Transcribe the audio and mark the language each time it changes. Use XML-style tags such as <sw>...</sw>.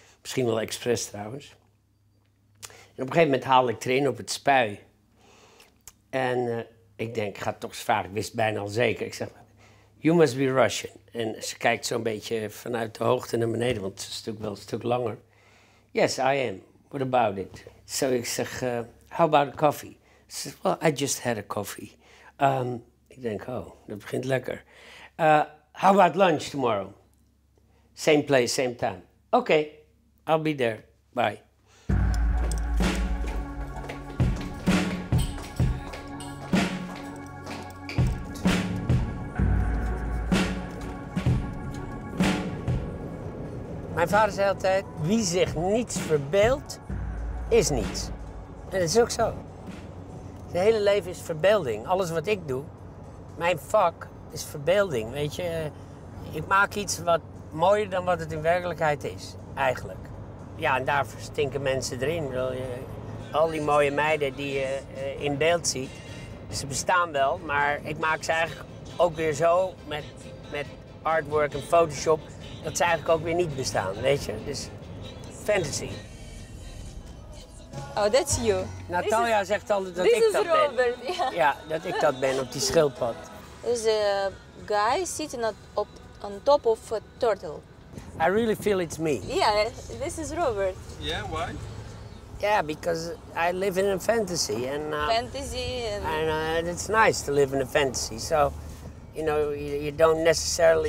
<nl>Misschien wel expres trouwens. En op een gegeven moment haalde ik erin op het spui. En ik denk, ik ga toch eens vragen. Ik wist bijna al zeker. Ik zeg,</nl> <en>you must be Russian.</en> <nl>En ze kijkt zo'n beetje vanuit de hoogte naar beneden. Want het is natuurlijk wel een stuk langer.</nl> <en>Yes, I am. What about it?</en> <nl>So ik zeg,</nl> <en>how about a coffee?</en> <nl>Ze zegt,</nl> <en>well, I just had a coffee.</en> <nl>Ik denk, oh, dat begint lekker.</nl> <en>How about lunch tomorrow? Same place, same time. Oké, okay, I'll be there. Bye.</en> <nl>Mijn vader zei altijd, wie zich niets verbeeldt, is niets. En dat is ook zo. Zijn hele leven is verbeelding. Alles wat ik doe, mijn vak, is verbeelding. Weet je, ik maak iets wat mooier dan wat het in werkelijkheid is, eigenlijk. Ja, en daar stinken mensen erin. Al die mooie meiden die je in beeld ziet, ze bestaan wel, maar ik maak ze eigenlijk ook weer zo met artwork en Photoshop, dat ze eigenlijk ook weer niet bestaan, weet je? Dus fantasy.</nl> <en>Oh, that's you.</en> <nl>Natalia zegt altijd dat ik dat Robert, ben.</nl> <en>Yeah.</en> <nl>Ja, dat ik dat ben op die schildpad.</nl> <en>There's a guy sitting on top of a turtle. I really feel it's me. Yeah, this is Robert. Yeah, why? Yeah, because I live in a fantasy. And fantasy. And it's nice to live in a fantasy. So, you know, you don't necessarily...</en>